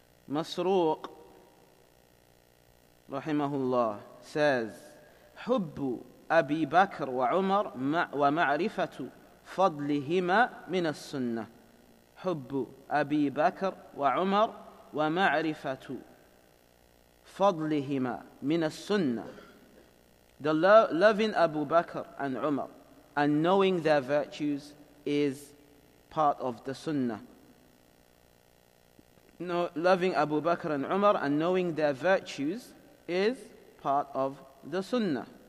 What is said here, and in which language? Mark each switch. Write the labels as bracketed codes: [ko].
[ar] Masruq rahimahullah says, Hubbu Abi Bakr wa Umar wa ma'rifatu فضلهما من السنة. حب أبي بكر وعمر ومعرفة فضلهما من السنة. [en] The loving Abu Bakr and Umar and knowing their virtues is part of the Sunnah. No, loving Abu Bakr and Umar and knowing their virtues is part of the Sunnah.